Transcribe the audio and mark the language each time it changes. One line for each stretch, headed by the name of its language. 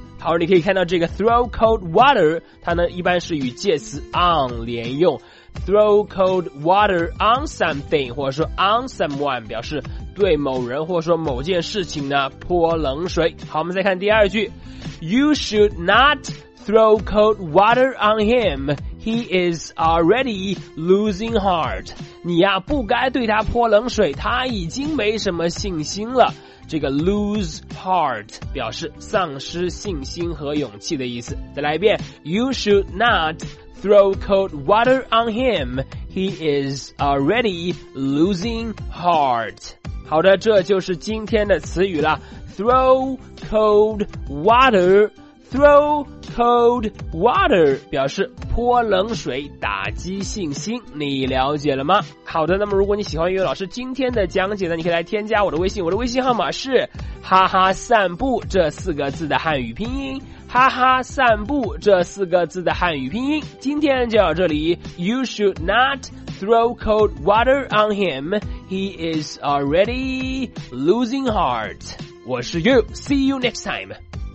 Chinese: 好，你可以看到这个
English: throw cold water，
Chinese: 它呢一般是与介词 on 连用，
English: throw cold water on something
Chinese: 或者说
English: on someone
Chinese: 表示对某人或者说某件事情呢泼冷水。好，我们再看第二句。
English: You should not throw cold water on him. He is already losing heart.
Chinese: 你呀不该对他泼冷水，他已经没什么信心了。这个
English: lose heart
Chinese: 表示丧失信心和勇气的意思。再来一遍。
English: You should not throw cold water on him. He is already losing heart.
Chinese: 好的，这就是今天的词语了。
English: throw cold water， throw cold water
Chinese: 表示泼冷水，打击信心，你了解了吗？好的，那么如果你喜欢英语老师今天的讲解呢，你可以来添加我的微信，我的微信号码是哈哈散步这四个字的汉语拼音，哈哈散步这四个字的汉语拼音。今天就到这里。
English: You should not throw cold water on him. He is already losing heart.
Chinese: 我是
English: You. See you next time.